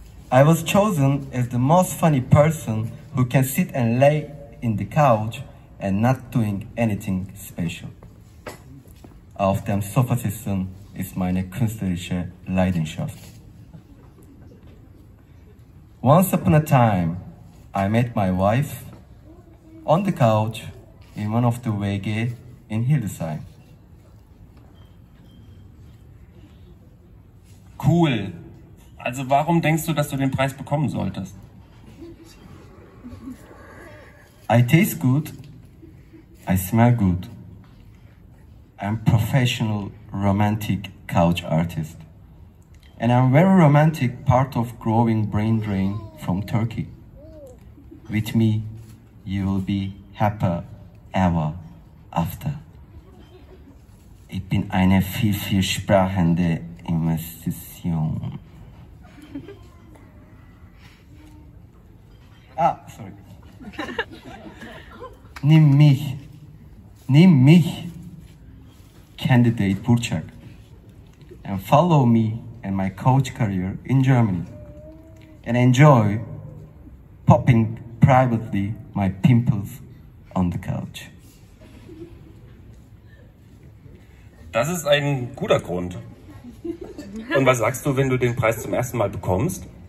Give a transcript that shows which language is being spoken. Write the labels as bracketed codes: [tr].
[en] I was chosen as the most funny person who can sit and lay in the couch and not doing anything special. [de] Auf dem Sofa sitzen ist meine künstlerische Leidenschaft. [en] Once upon a time, I met my wife on the couch in one of the Wege in Hildesheim. Cool. [de] Also warum denkst du, dass du den Preis bekommen solltest? [en] I taste good. I smell good. I'm professional romantic couch artist. And I'm very romantic part of growing brain drain from Turkey. With me, you will be happy ever after. [de] Ich bin eine vielsprachende Investition. [en] Ah, sorry. [de] Nimm mich, [en] Candidate Burçak, and follow me and my coach career in Germany, and enjoy popping privately my pimples on the couch. [de] Das ist ein guter Grund. Und was sagst du, wenn du den Preis zum ersten Mal bekommst?